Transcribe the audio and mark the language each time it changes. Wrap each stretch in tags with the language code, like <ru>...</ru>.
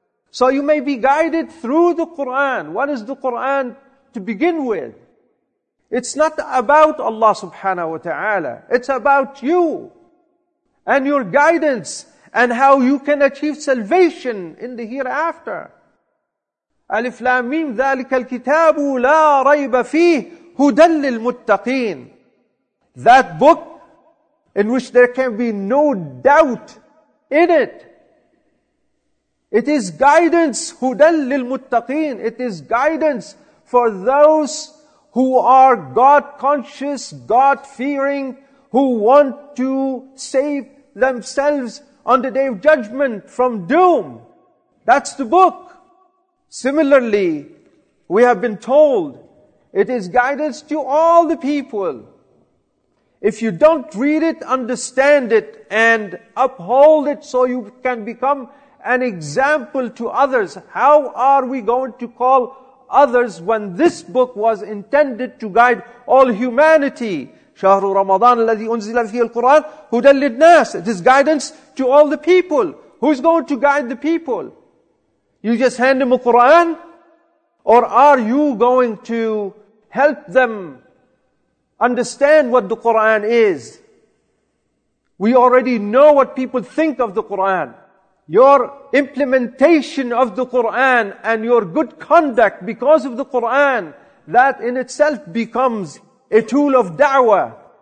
<en>So you may be guided through the Quran. What is the Quran to begin with? It's not about Allah subhanahu wa ta'ala. It's about you and your guidance and how you can achieve salvation in the hereafter.</en> <ar>Alif Lam Mim, ذلك الكتاب لا ريب فيه هدى للمتقين.</ar> <en>That book in which there can be no doubt in it. It is guidance,</en> <ar>هدى للمتقين.</ar> <en>It is guidance for those who are God-conscious, God-fearing, who want to save themselves on the day of judgment from doom. That's the book. Similarly, we have been told, it is guidance to all the people. If you don't read it, understand it, and uphold it so you can become an example to others. How are we going to call others when this book was intended to guide all humanity?</en> <ar>شهر رمضان الذي أنزل فيه القرآن هدى للناس.</ar> <en>It is guidance to all the people. Who's going to guide the people? You just hand them a Quran? Or are you going to help them understand what the Quran is? We already know what people think of the Quran. Your implementation of the Qur'an and your good conduct because of the Qur'an, that in itself becomes a tool of da'wah.</en>